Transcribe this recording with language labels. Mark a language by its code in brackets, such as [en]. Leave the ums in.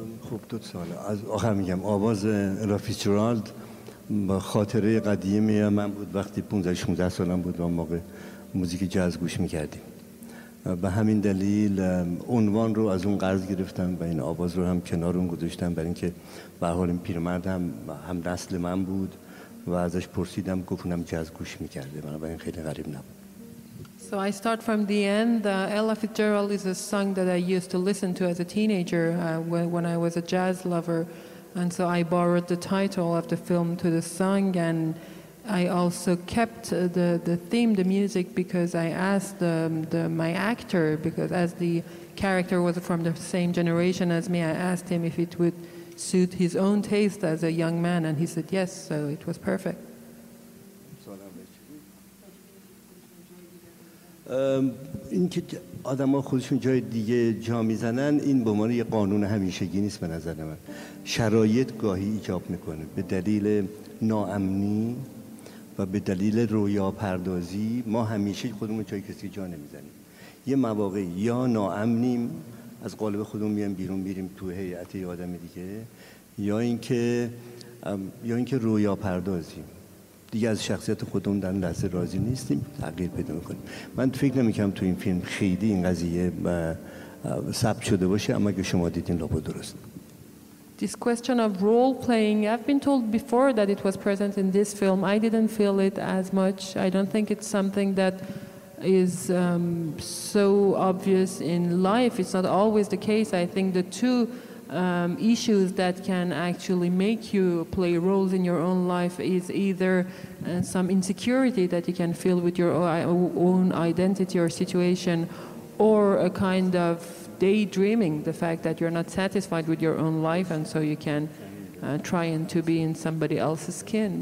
[fa] خب دو سال از آخر میگم آواز رافیچرالد با خاطره قدیمی من بود وقتی 15 16 سالم بود و اون موقع موزیک جاز گوش میکردیم به همین دلیل ام، عنوان رو از اون قرض گرفتم و این آواز رو هم کنار اون گذاشتم برای اینکه به هر حال این پیرمرد هم هم نسل من بود و ازش پرسیدم گفت اونم جاز گوش میکرده بنابراین خیلی غریب نبود [en] So I start from the end. Uh, Ella Fitzgerald is a song that I used to listen to as a teenager uh, when, when I was a jazz lover, and so I borrowed the title of the film to the song, and I also kept uh, the the theme, the music, because I asked um, the, my actor because as the character was from the same generation as me, I asked him if it would suit his own taste as a young man, and he said yes, so it was perfect. [fa] ام، اینکه آدما خودشون جای دیگه جا میزنن این به عنوان یه قانون همیشگی نیست به نظر من شرایط گاهی ایجاب میکنه به دلیل ناامنی و به دلیل رویا پردازی ما همیشه خودمون جای کسی جا نمیزنیم یه مواقع یا ناامنیم از قالب خودمون میایم بیرون میریم تو هیئت یه آدم دیگه یا اینکه ام، یا اینکه رویا پردازیم دیگه از شخصیت خودمون در اون لحظه راضی نیستیم تغییر پیدا میکنیم من فکر نمیکنم تو این فیلم خیلی این قضیه اه، اه، ثبت شده باشه اما اگه شما دیدین لابد درست [en] This question of role playing, I've been told before that it was present in this film. I didn't feel it as much. I don't think it's something that is um, so obvious in life. It's not always the case. I think the two um, issues that can actually make you play roles in your own life is either uh, some insecurity that you can feel with your o- own identity or situation, or a kind of daydreaming, the fact that you're not satisfied with your own life, and so you can uh, try and to be in somebody else's skin.